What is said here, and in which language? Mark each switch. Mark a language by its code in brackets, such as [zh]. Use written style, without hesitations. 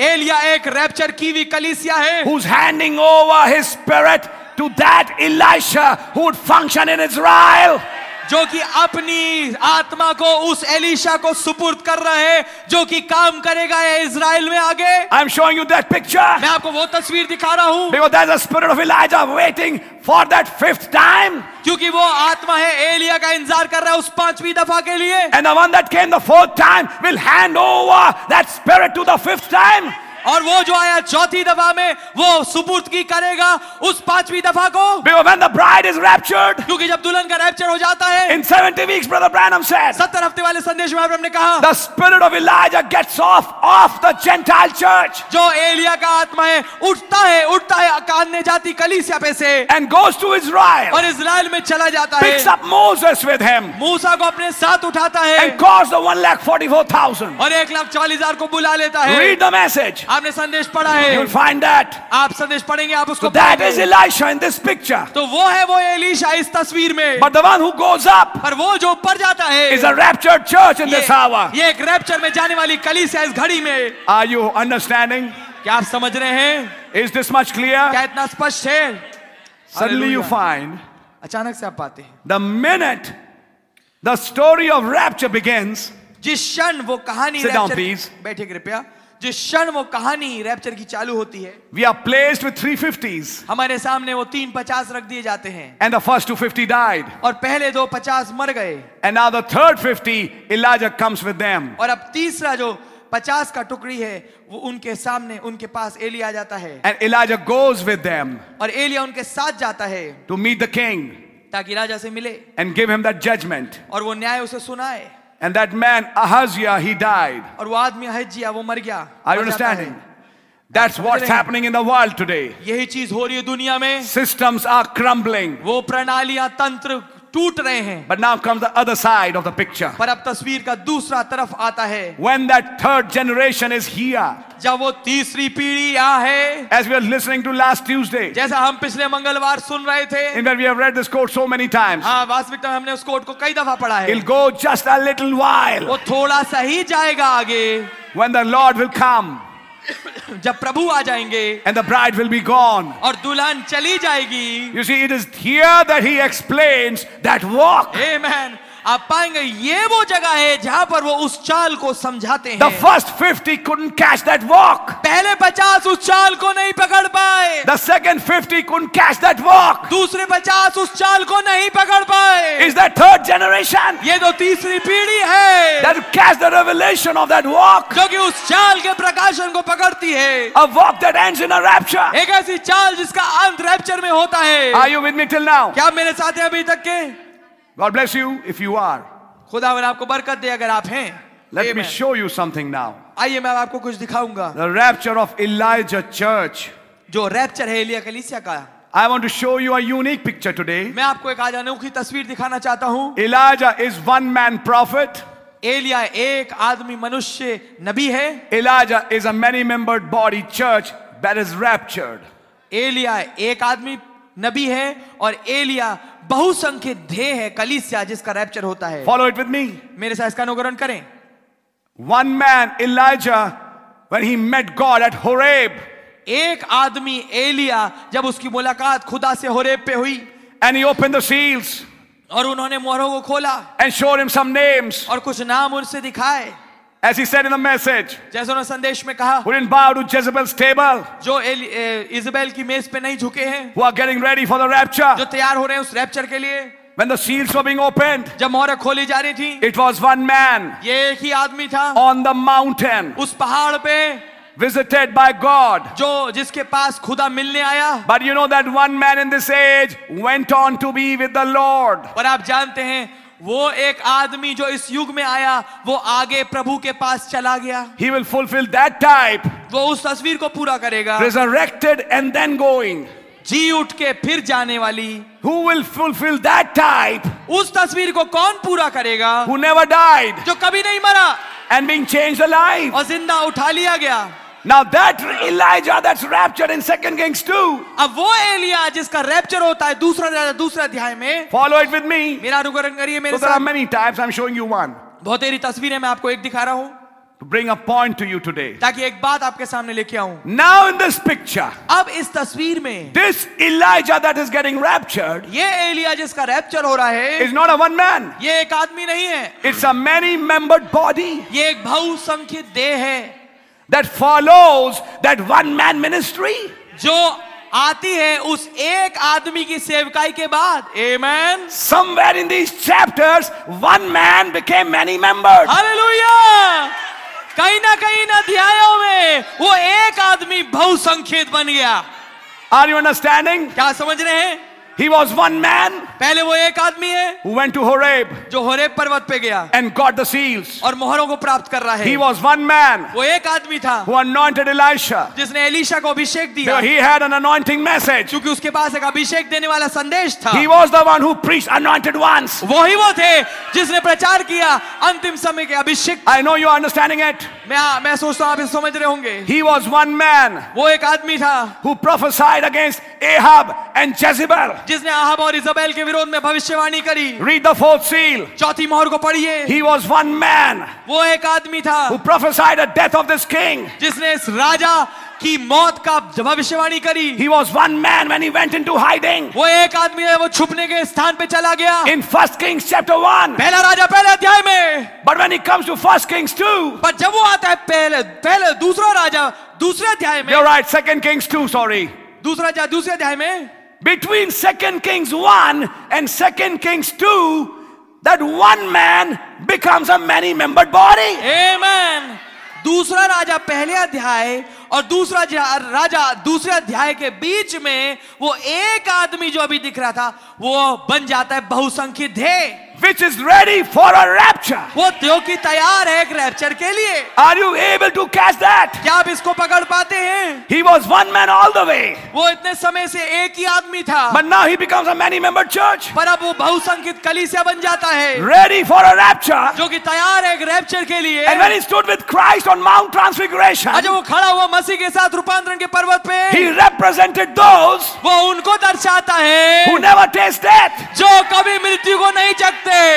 [hi] एलिया एक रैप्चर की हुई कलीसिया है. [en] Who's handing over his spirit to that Elisha who would function in Israel. [hi] जो कि अपनी आत्मा को उस एलिशा को सुपुर्द कर रहा है जो कि काम करेगा इज़राइल में आगे. [en] I am showing you that picture. [hi] मैं आपको वो तस्वीर दिखा रहा हूँ. [en] Because there is a spirit of Elijah waiting for that fifth time. [hi] क्योंकि वो आत्मा है एलिया का इंतजार कर रहा है उस पांचवीं दफा के लिए. [en] And the one that came the fourth time will hand over that spirit to the fifth time. [hi] और वो जो आया चौथी दफा में वो सुपुर्दगी करेगा उस पांचवी दफा को. [en] Because when the bride is raptured, [hi] क्योंकि जब दुल्हन का रैप्चर हो जाता है, [en] in 70 weeks, Brother Branham said, [hi] 70 हफ्ते वाले संदेश में अब्राहम ने कहा, [en] the spirit of Elijah gets off the Gentile church, [hi] जो एलिया का आत्मा है उठता है अकान्य जाति कलीसिया पे से, [en] and goes to Israel, [hi] और इज़राइल में चला जाता है, [en] picks up Moses with him, [hi] मूसा को अपने साथ उठाता है, [en] and calls the 144,000, [hi] और 144,000 को बुला लेता है. [en] Read the message. [hi] आपने संदेश पढ़ा है. [en] You'll find that. [hi] आप संदेश पढ़ेंगे आप उसको. [en] So that is Elisha in this picture. [hi] तो वो है वो एलिशा इस तस्वीर में. [en] But the one who goes up. [hi] पर वो जो ऊपर जाता है. [en] Is a raptured church in this hour. [hi] ये एक रैप्चर में जाने वाली कलीसिया इस घड़ी में. [en] Are you understanding? [hi] क्या आप समझ रहे हैं? [en] Is this much clear? [hi] क्या इतना स्पष्ट है? [en] Suddenly you find. [hi] अचानक से आप पाते हैं. [en] The minute the story of rapture begins. [hi] जिस क्षण वो कहानी. [en] Sit down, please. [hi] बैठिए कृपया. जिस क्षण वो कहानी रैप्चर की चालू होती है, [en] we are placed with 350s. [hi] हमारे सामने वो 350 रख दिए जाते हैं. [en] And the first 250 died. [hi] और पहले दो 50 मर गए. [en] And now the third 50, Elijah comes with them. [hi] और अब तीसरा जो 50 का टुकड़ी है, वो उनके सामने, उनके पास एलिया जाता है. [en] And Elijah goes with them. [hi] और एलिया उनके साथ जाता है. [en] To meet the king. [hi] ताकि राजा से मिले. [en] And give him that judgment. [hi] और वो न्याय उसे सुनाए. [en] And that man Ahaziah, he died. [hi] और वो आदमी अहज्या वो मर गया. [en] Are you understanding? That's what's happening in the world today. [hi] यही चीज हो रही है दुनिया में. [en] Systems are crumbling. [hi] वो प्रणालियां तंत्र टूट रहे हैं. [en] But now comes the other side of the picture. [hi] पर अब तस्वीर का दूसरा तरफ आता है. [en] When that third generation is here. [hi] जब वो तीसरी पीढ़ी यहाँ है. [en] As we are listening to last Tuesday. [hi] जैसा हम पिछले मंगलवार सुन रहे थे. [en] In that we have read this quote so many times. [hi] हाँ, वास्तविकता में हमने उस quote को कई दफा पढ़ा है. [en] He'll go just a little while. [hi] वो थोड़ा सा ही जाएगा आगे. [en] When the Lord will come. [hi] जब प्रभु आ जाएंगे. [en] And the bride will be gone. [hi] और दुल्हन चली जाएगी. [en] You see, it is here that he explains that walk. Amen. [hi] आप पाएंगे ये वो जगह है जहां पर वो उस चाल को समझाते हैं. [en] The first 50 couldn't catch that walk. [hi] पहले 50 उस चाल को नहीं पकड़ पाए. [en] The second 50 couldn't catch that walk. [hi] दूसरे 50 उस चाल को नहीं पकड़ पाए. [en] Is that third generation? [hi] ये तो तीसरी पीढ़ी है. [en] That catch the revelation of that walk. [hi] क्योंकि उस चाल के प्रकाशन को पकड़ती है. [en] A walk that ends in a rapture. [hi] एक ऐसी चाल जिसका अंत रैप्चर में होता है. [en] Are you with me till now? [hi] क्या मेरे साथ है अभी तक के? [en] God bless you if you are. [hi] खुदावर आपको बरकत दे अगर आप हैं. [en] Let me show you something now. [hi] आइए मैं आपको कुछ दिखाऊंगा. [en] The rapture of Elijah church. [hi] जो रैप्चर है एलिया कलीसिया का. [en] I want to show you a unique picture today. [hi] मैं आपको एक अनोखी तस्वीर दिखाना चाहता हूँ. [en] Elijah is one man prophet. [hi] Elia एक आदमी मनुष्य नबी है. [en] Elijah is a many membered body church that is raptured. [hi] Elia एक आदमी नबी है और एलिया बहुसंख्यक ध्येय है कलीसिया जिसका रैप्चर होता है. [en] Follow it with me. [hi] मेरे साथ इसका अनुकरण करें. [en] One man Elijah when he met God at Horeb. [hi] एक आदमी एलिया जब उसकी मुलाकात खुदा से होरेब पे हुई. [en] And he open the seals. [hi] और उन्होंने मोहरों को खोला. [en] And showed him some names. [hi] और कुछ नाम उनसे दिखाए. [en] As he said in the message, [hi] जैसे उन्होंने संदेश में कहा, [en] who didn't bow to Jezebel's table, [hi] जो इज़ेबेल की मेज पे नहीं झुके हैं, [en] who are getting ready for the rapture, [hi] जो तैयार हो रहे हैं उस रैप्चर के लिए, [en] when the seals were being opened, [hi] जब मोहरें खोली जा रही थी, [en] it was one man, [hi] ये एक ही आदमी था, [en] on the mountain, [hi] उस पहाड़ पे, [en] visited by God, [hi] जो जिसके पास खुदा मिलने आया, [en] but you know that one man in this age went on to be with the Lord, [hi] पर आप जानते हैं वो एक आदमी जो इस युग में आया वो आगे प्रभु के पास चला गया. [en] He will fulfill that type. [hi] वो उस तस्वीर को पूरा करेगा. [en] Resurrected and then going. [hi] जी उठ के फिर जाने वाली. [en] Who will fulfill that type? [hi] उस तस्वीर को कौन पूरा करेगा? [en] Who never died. [hi] जो कभी नहीं मरा. [en] and being changed alive. [hi] और जिंदा उठा लिया गया. [en] Now that Elijah that's raptured in 2 Kings 2. [hi] अब वो एलिया जिसका रैप्चर होता है दूसरा अध्याय में. [en] Follow it with me. [hi] मेरा अनुकरण करिए मेरे साथ. [en] So there are many types. I'm showing you one. [hi] बहुत सारी तस्वीरें मैं आपको एक दिखा रहा हूँ. [en] To bring a point to you today. [hi] ताकि एक बात आपके सामने लेके आऊं. [en] Now in this picture. [hi] अब इस तस्वीर में. [en] This Elijah that is getting raptured. [hi] ये एलिया जिसका रैप्चर हो रहा है. [en] Is not a one man. [hi] ये एक आदमी नहीं है. [en] It's a many-membered body. [hi] ये एक बहुसंख्यक देह है. [en] That follows that one man ministry. [hi] जो आती है उस एक आदमी की सेवकाई के बाद. [en] Amen. Somewhere in these chapters, one man became many members. Hallelujah. [hi] कहीं ना अध्यायों में वो एक आदमी बहुसंख्यक बन गया. [en] Are you understanding? [hi] क्या समझ रहे हैं? [en] He was one man. [hi] पहले वो एक आदमी है. [en] Who went to Horeb? [hi] जो होरेब पर्वत पे गया. [en] And got the seals. [hi] और मोहरों को प्राप्त कर रहा है. [en] He was one man. [hi] वो एक आदमी था. [en] Who anointed Elisha? [hi] जिसने एलिशा को अभिषेक दिया. [en] So he had an anointing message. [hi] क्योंकि उसके पास एक अभिषेक देने वाला संदेश था. [en] He was the one who preached anointed ones. [hi] वही वो थे जिसने प्रचार किया अंतिम समय के अभिषेक. [en] I know you are understanding it. [hi] मैं सोचता हूँ आप इसे समझ रहे होंगे. [en] He was one man. [hi] वो एक आदमी था. [en] Who prophesied against Ahab and Jezebel. [hi] जिसने अहाब और इजबेल के विरोध में भविष्यवाणी करी. [en] Read the fourth seal. [hi] चौथी मोहर को पढ़िए. [en] He was one man. [hi] वो एक आदमी था. [en] Who prophesied the death of this king. [hi] जिसने इस राजा की मौत का भविष्यवाणी करी. [en] He was one man when he went into hiding. [hi] वो एक आदमी है वो छुपने के स्थान पे चला गया. [en] In 1 Kings chapter 1. [hi] पहला राजा पहले अध्याय में. [en] But when he comes to 1 Kings 2. [hi] पर जब वो आता है पहले दूसरा राजा दूसरे अध्याय में. [en] You're right, 2 Kings 2, sorry. [hi] दूसरा राजा दूसरे अध्याय में. [en] Between 2 Kings 1 and 2 Kings 2, that one man becomes a many-membered body. Amen. [hi] दूसरा राजा पहले अध्याय और दूसरा राजा दूसरे अध्याय के बीच में वो एक आदमी जो अभी दिख रहा था वो बन जाता है बहुसंख्यक देह. [en] Which is ready for a rapture. [hi] वो त्यों की तैयार है एक रैप्चर के लिए. [en] Are you able to catch that? [hi] क्या आप इसको पकड़ पाते हैं? [en] He was one man all the way. [hi] वो इतने समय से एक ही आदमी था. [en] But now he becomes a many-membered church. [hi] पर अब वो बहुसंख्यक कलीसिया बन जाता है. [en] Ready for a rapture. [hi] जो कि तैयार है एक रैप्चर के लिए. [en] And when he stood with Christ on Mount Transfiguration. [hi] आज वो खड़ा हुआ मसीह के साथ रूपांतरण के पर्वत पे. [en] He represented those. [hi] वो उनको दर्शाता है. [en] Who never taste death. [hi] जो कभी मृत्यु को नहीं चखते.